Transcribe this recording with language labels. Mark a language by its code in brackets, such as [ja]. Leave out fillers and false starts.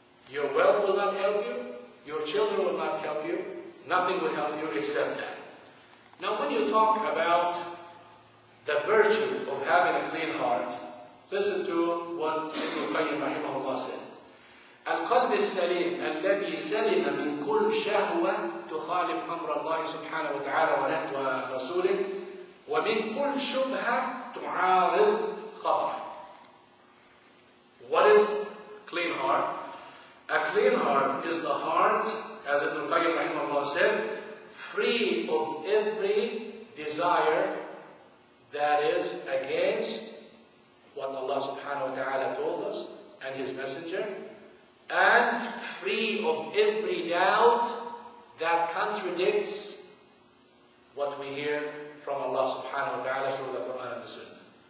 [en] Your wealth will not help you, your children will not help you, nothing will help you except that. Now when you talk about the virtue of having a clean heart, listen to what Ibn Qayyim rahimahullah said. [ar] القلب السليم الذي سلم من كل شهوة تخالف أمر الله سبحانه وتعالى ورسوله ومن كل شبهة تعارض خبره. [en] What is clean heart? A clean heart is the heart, as Ibn Qayyim rahimahullah said, free of every desire that is against what Allah subhanahu wa ta'ala told us and His Messenger, and free of every doubt that contradicts what we hear from Allah subhanahu wa ta'ala through the Quran and the Sunnah.